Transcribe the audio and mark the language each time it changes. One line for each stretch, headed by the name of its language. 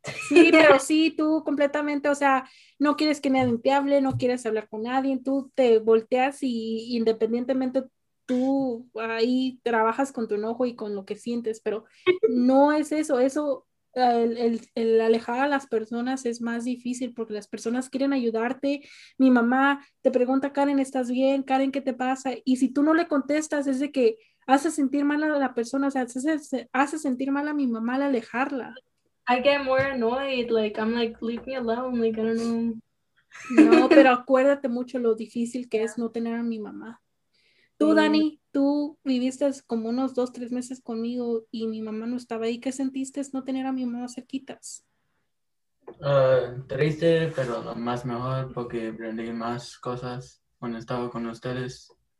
Spanish: Sí, pero sí, tú completamente, o sea, no quieres que nadie te hable, no quieres hablar con nadie, tú te volteas y independientemente tú ahí trabajas con tu enojo y con lo que sientes, pero no es eso, el alejar a las personas es más difícil porque las personas quieren ayudarte. Mi mamá te pregunta, Karen, ¿estás bien? Karen, ¿qué te pasa? Y si tú no le contestas es de que hace sentir mal a la persona, o sea, hace sentir mal a mi mamá al alejarla.
English: I get more annoyed, like, I'm like, leave me alone, like, I don't know.
Spanish: No, pero acuérdate mucho lo difícil que es no tener a mi mamá. Tú, Dani, tú viviste como unos 2-3 meses conmigo y mi mamá no estaba ahí. ¿Qué sentiste no tener a mi mamá cerquitas? Triste, pero lo más mejor porque aprendí más cosas cuando estaba con ustedes.